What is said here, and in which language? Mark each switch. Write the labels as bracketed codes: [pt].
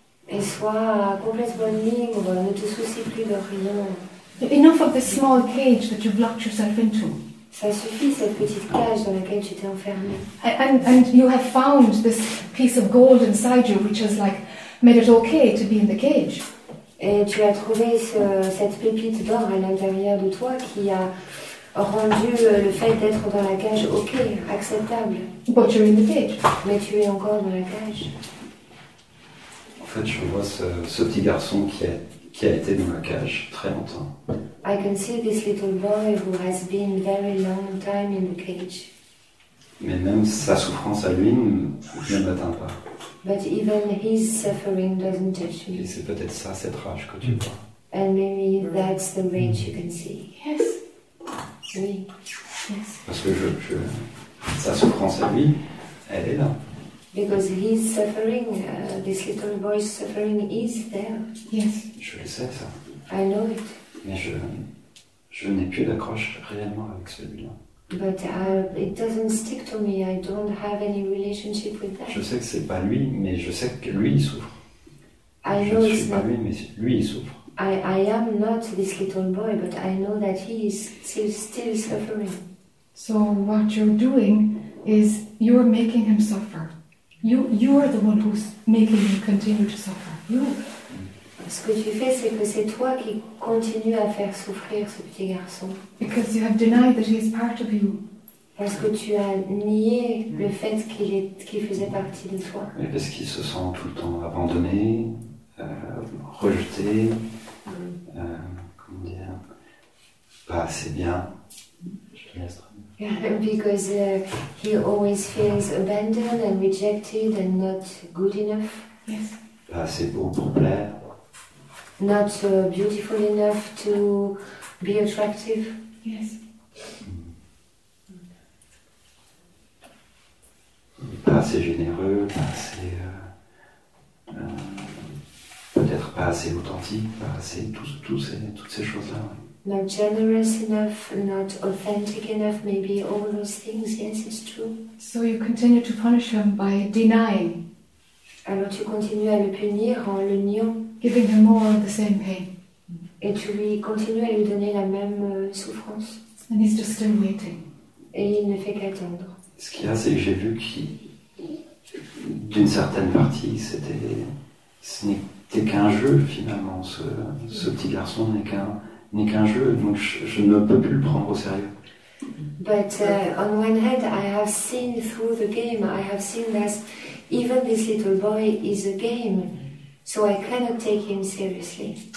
[fr] Et sois complètement libre, ne te soucie plus de rien. [en] Enough of this small cage that you've locked yourself into. [fr] Ça suffit, cette petite cage dans laquelle tu t'es enfermée. [en] And you have found this piece of gold inside you, which has like made it okay to be in the cage. [fr] Et tu as trouvé cette pépite d'or à l'intérieur de toi qui a rendu le fait d'être dans la cage okay, acceptable. [en] But you're in the cage. [fr] Mais tu es encore dans la cage. En fait, je vois ce petit garçon qui a été dans la cage très longtemps. [en] I can see this little boy who has been very long time in the cage. [fr] Mais même sa souffrance à lui ne m'atteint pas. [en] But even his suffering doesn't touch me. [fr] Et c'est peut-être ça cette rage que tu vois. [en] And maybe that's the rage you can see. Yes. [fr] Oui. [en] Yes. [fr] Parce que je sa souffrance à lui, elle est là. [en] Because he's suffering, this little boy's suffering is there. Yes. [fr] Je le sais, ça. [en] I know it. [fr] Mais je n'ai plus d'accroche réellement avec celui-là. [en] But it doesn't stick to me. I don't have any relationship with that. [fr] Je sais que c'est pas lui, mais je sais que lui il souffre. [en] I know [fr] je ne suis pas lui, mais lui il souffre. [en] I am not this little boy, but I know that he is still suffering. So what you're doing is you're making him suffer. You are the one who's making him continue to suffer. You. [fr] Ce que tu fais, c'est que c'est toi qui continues à faire souffrir ce petit garçon. [en] Because you have denied that he is part of you. [fr] Parce que tu as nié le fait qu'il faisait partie de toi. Mais parce qu'il se sent tout le temps abandonné, rejeté, comment dire, pas assez bien. [en] Because he always feels abandoned and rejected and not good enough. Yes. [fr] Pas assez beau pour plaire. [en] Not beautiful enough to be attractive. Yes. [fr] Pas assez généreux, pas assez pas assez authentique, pas assez toutes ces choses-là. [en] Not generous enough, not authentic enough, maybe all those things, yes, it's true. So you continue to punish him by denying. [fr] Alors tu continues à le punir en le niant. [en] Giving him more of the same pain. [fr] Et tu lui continues à lui donner la même souffrance. [en] And he's just still waiting. [fr] Et il ne fait qu'attendre. Ce qu'il y a, c'est que j'ai vu qu'il... D'une certaine partie, ce n'était qu'un jeu, finalement. Ce petit garçon n'est qu'un jeu, donc je ne peux plus le prendre au sérieux. [en] But on one hand, I have seen through the game, I have seen that even this little boy is a game, so I cannot take him seriously.